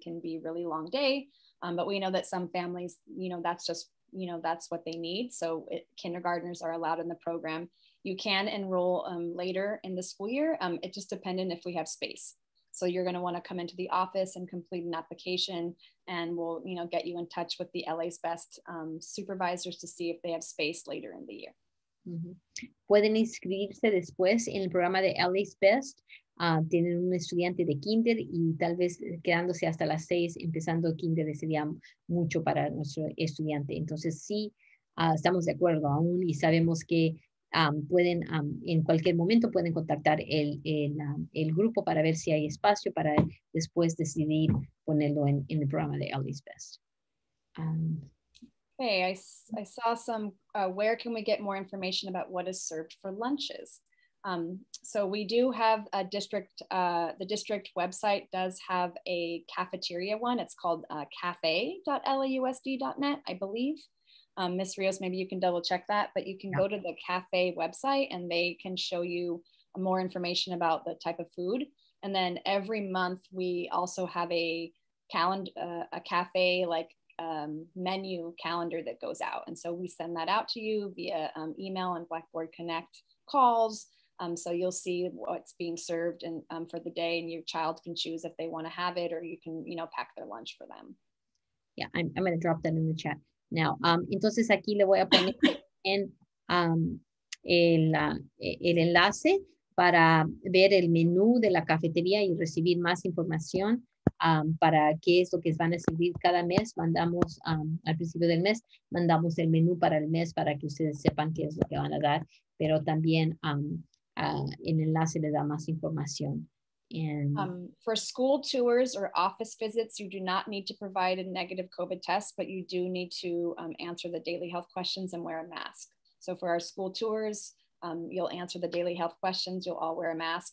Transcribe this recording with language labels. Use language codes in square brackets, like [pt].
[en] can be a really long day, but we know that some families, that's what they need, so kindergartners are allowed in the program. You can enroll later in the school year. It just depends if we have space. So you're going to want to come into the office and complete an application, and we'll, get you in touch with the LA's best supervisors to see if they have space later in the year. [es] Pueden inscribirse después en el programa de LA's Best. Tienen un estudiante de kinder y tal vez quedándose hasta las 6 empezando kinder sería mucho para nuestro estudiante. Entonces sí, estamos de acuerdo aún y sabemos que pueden en cualquier momento pueden contactar el grupo para ver si hay espacio para después decidir ponerlo en el programa de Ellie's Best. [en] Hey, I saw some, where can we get more information about what is served for lunches? So we do have a district, the district website does have a cafeteria one. It's called cafe.lausd.net, I believe. Ms. Rios, maybe you can double check that, but you can go to the cafe website and they can show you more information about the type of food. And then every month we also have a calendar, a cafe like menu calendar that goes out. And so we send that out to you via email and Blackboard Connect calls. So you'll see what's being served and for the day, and your child can choose if they want to have it, or you can, you know, pack their lunch for them. Yeah, I'm going to drop that in the chat now. [es] Entonces aquí le voy a poner en el enlace para ver el menú de la cafetería y recibir más información para qué es lo que van a servir cada mes. Mandamos al principio del mes, mandamos el menú para el mes para que ustedes sepan qué es lo que van a dar, pero también el enlace le da más información. [en] For school tours or office visits, you do not need to provide a negative COVID test, but you do need to answer the daily health questions and wear a mask. So for our school tours, you'll answer the daily health questions, you'll all wear a mask.